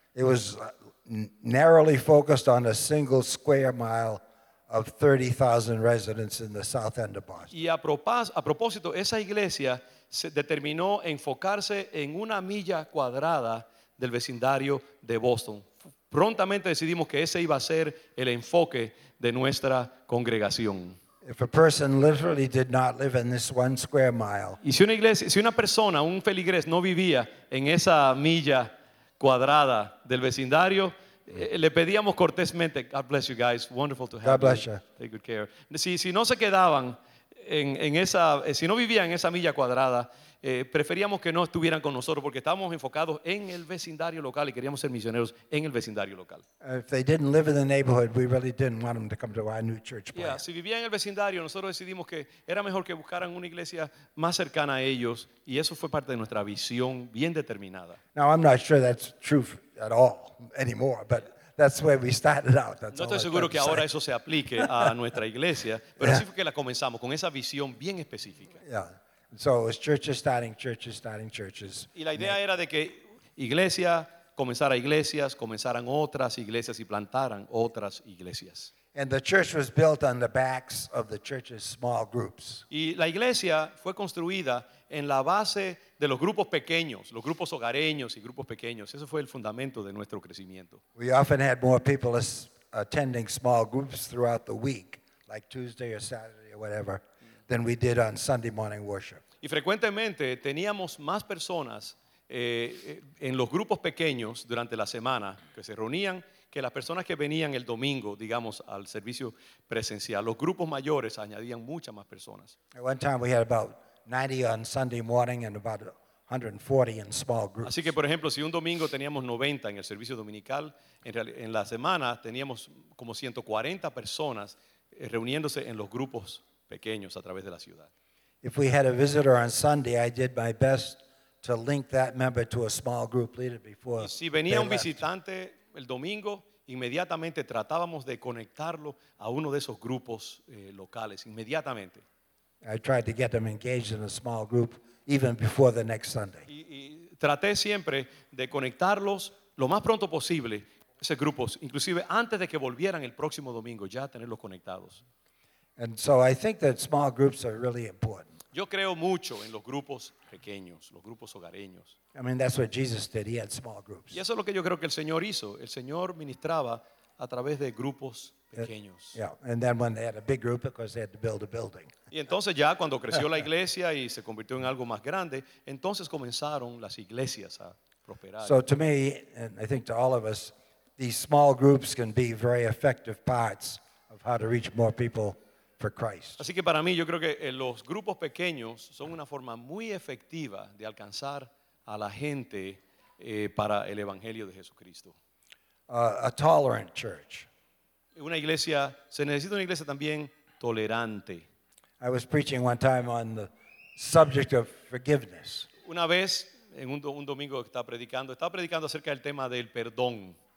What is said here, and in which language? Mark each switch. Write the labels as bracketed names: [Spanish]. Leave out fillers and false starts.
[English] It was narrowly focused on a single square mile of 30,000 residents in the south end of Boston. [Spanish] Y a propósito, esa iglesia se determinó enfocarse en una milla cuadrada del vecindario de Boston. Prontamente decidimos que ese iba a ser el enfoque de nuestra congregación. [English] If a person literally did not live in this one square mile. [Spanish] Y si una iglesia, si una persona, un feligrés no vivía en esa milla cuadrada del vecindario, le pedíamos cortésmente, [English] God bless you guys, wonderful to have God bless you. Take good care. [Spanish] Si no se quedaban en esa, si no vivían en esa milla cuadrada, preferíamos que no estuvieran con nosotros porque estábamos enfocados en el vecindario local y queríamos ser misioneros en el vecindario local. [English] If they didn't live in the neighborhood, we really didn't want them to come to our new church plant. [Spanish] Yeah, si vivían en el vecindario, nosotros decidimos que era mejor que buscaran una iglesia más cercana a ellos, y eso fue parte de nuestra visión bien determinada. [English] Now, I'm not sure that's true at all anymore, but that's where we started out. That's [Spanish] no estoy seguro que ahora eso se aplique a nuestra iglesia, pero [English] yeah. [Spanish] Sí fue que la comenzamos con esa visión bien específica. Yeah. [English] So it was churches starting churches. [Spanish] Y la idea era de que iglesia comenzara iglesias, comenzaran otras iglesias y plantaran otras iglesias. [English] And the church was built on the backs of the church's small groups. [Spanish] Y la iglesia fue construida en la base de los grupos pequeños, los grupos hogareños y grupos pequeños. Eso fue el fundamento de nuestro crecimiento. [English] We often had more people attending small groups throughout the week, like Tuesday or Saturday or whatever, than we did on Sunday morning worship. [Spanish] Y frecuentemente teníamos más personas en los grupos pequeños durante la semana que se reunían que las personas que venían el domingo, digamos, al servicio presencial. Los grupos mayores añadían muchas más personas. [English] At one time we had about 90 on Sunday morning and about 140 in small groups. [Spanish] Así que, por ejemplo, si un domingo teníamos 90 en el servicio dominical, en la semana teníamos como 140 personas reuniéndose en los grupos pequeños a través de la ciudad. [English] If we had a visitor on Sunday, I did my best to link that member to a small group leader before. [Spanish] Y si venía un visitante el domingo, inmediatamente tratábamos de conectarlo a uno de esos grupos locales, inmediatamente. [English] I tried to get them engaged in a small group even before the next Sunday. [Spanish] Y traté siempre de conectarlos lo más pronto posible esos grupos, inclusive antes de que volvieran el próximo domingo, ya tenerlos conectados. [English] And so I think that small groups are really important. [Spanish] Yo creo mucho en los grupos pequeños, los grupos hogareños. [English] I mean, that's what Jesus did. He had small groups. [Spanish] Y eso es lo que yo creo que el Señor hizo. El Señor ministraba a través de grupos pequeños. [English] Yeah, and then when they had a big group, because they had to build a building. [Spanish] Y entonces ya cuando creció la iglesia y se convirtió en algo más grande, entonces comenzaron las iglesias a prosperar. [English] So to me, and I think to all of us, these small groups can be very effective parts of how to reach more people. [Spanish] Así que para mí yo creo que los grupos pequeños son una forma muy efectiva de alcanzar a la gente para el evangelio de Jesucristo. [English] A tolerant church. [Spanish] Una iglesia, se necesita una iglesia también tolerante. [English] I was preaching one time on the subject of forgiveness. [Spanish] Una vez en un domingo estaba predicando acerca del tema del perdón.